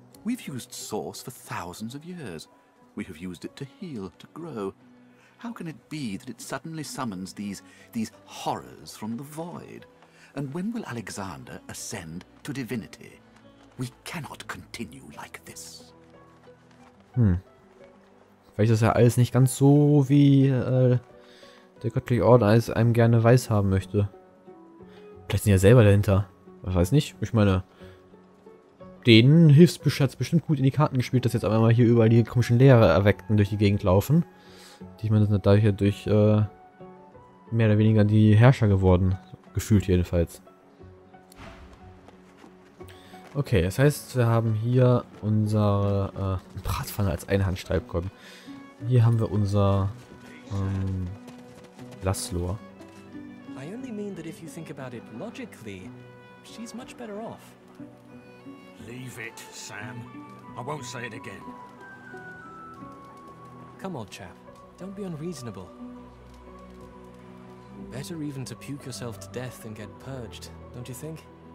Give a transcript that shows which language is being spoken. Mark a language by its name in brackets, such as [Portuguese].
[English] We've used Source for thousands of years. We have used it to heal, to grow. How can it be that it suddenly summons these horrors from the Void? And when will Alexander ascend to Divinity? We cannot continue like this. Hm. [German] Vielleicht ist ja alles nicht ganz so, wie der göttliche Orden es einem gerne weiß haben möchte. Vielleicht sind ja selber dahinter. Ich weiß nicht. Ich meine, denen hat es bestimmt gut in die Karten gespielt, dass jetzt auf einmal hier überall die komischen Lehrer erweckten durch die Gegend laufen. Die, ich meine, sind dadurch ja durch mehr oder weniger die Herrscher geworden. Gefühlt jedenfalls. Okay, das heißt, wir haben hier unsere Bratpfanne als Einhandsteibkolben. Hier haben wir unser Laszlor. [English] I only mean that if you think about it logically, she's much better off. Leave it, Sam. I won't say it again. Come on, chap. Don't be unreasonable. Better even to puke yourself to death than get purged, don't you think?